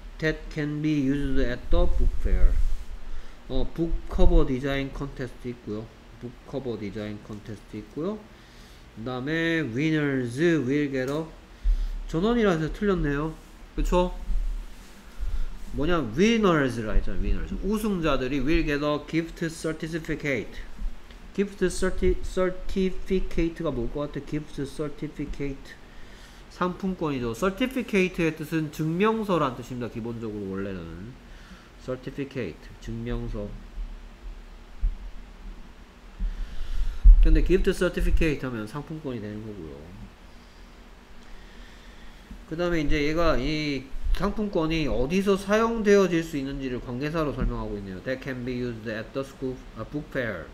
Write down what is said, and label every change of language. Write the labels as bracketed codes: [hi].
[en] That can be used at the book fair. [ko] 북 커버 디자인 컨테스트 있고요. 북 커버 디자인 컨테스트 있고요. [en] 그 다음에 winners will get a [ko] 전원이라서 틀렸네요. 그쵸? 뭐냐 [en] winners라 [ko] 했잖아. [en] winners [ko] 우승자들이 [en] will get a gift certificate. [ko] gift certificate가 뭘 것 같아? gift certificate 상품권이죠. certificate의 뜻은 증명서란 뜻입니다. 기본적으로 원래는 certificate 증명서. 근데 gift certificate 하면 상품권이 되는 거고요. 그 다음에 이제 얘가 이 상품권이 어디서 사용되어질 수 있는지를 관계사로 설명하고 있네요. [en] That can be used at the school, book fair.